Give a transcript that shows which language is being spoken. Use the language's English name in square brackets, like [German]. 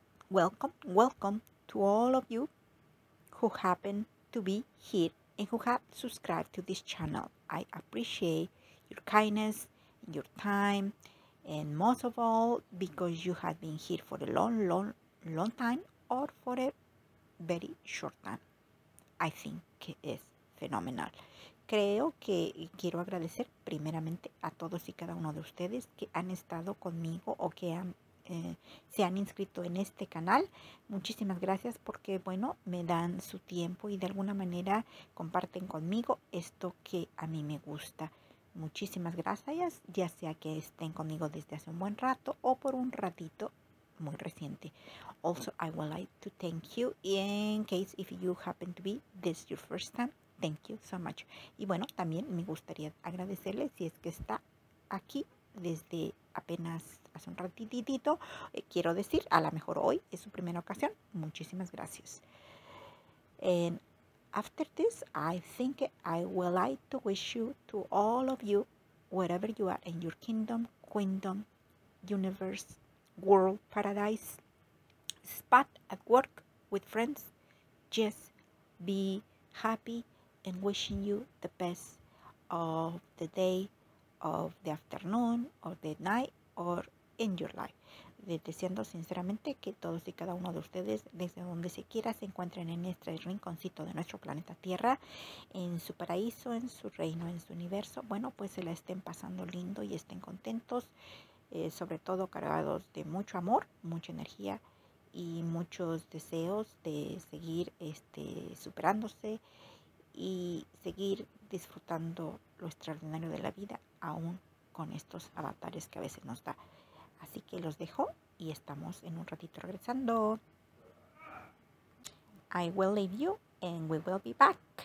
[English] Welcome, welcome to all of you who happen to be here and who have subscribed to this channel. I appreciate your kindness, your time, and most of all, because you have been here for a long, long, long time or for a very short time. I think it's phenomenal. [Spanish] Creo que quiero agradecer primeramente a todos y cada uno de ustedes que han estado conmigo o que han se han inscrito en este canal. Muchísimas gracias porque, bueno, me dan su tiempo y de alguna manera comparten conmigo esto que a mí me gusta. Muchísimas gracias, ya sea que estén conmigo desde hace un buen rato o por un ratito muy reciente. [English] Also, I would like to thank you in case if you happen to be this your first time. Thank you so much. [Spanish] Y bueno, también me gustaría agradecerle si es que está aquí desde apenas hace un ratitito, quiero decir, a lo mejor hoy es su primera ocasión. Muchísimas gracias. [English] And after this, I think I would like to wish you to all of you, wherever you are in your kingdom, queendom, universe, world, paradise, spot, at work, with friends, just be happy and wishing you the best of the day, of the afternoon, of the night, or in your life. [Spanish] Deseando sinceramente que todos y cada uno de ustedes, desde donde se quiera, se encuentren en este rinconcito de nuestro planeta Tierra, en su paraíso, en su reino, en su universo, bueno, pues se la estén pasando lindo y estén contentos, sobre todo cargados de mucho amor, mucha energía y muchos deseos de seguir superándose y seguir disfrutando lo extraordinario de la vida, aún con estos avatares que a veces nos da. Así que los dejo y estamos en un ratito regresando. [English] I will leave you and we will be back.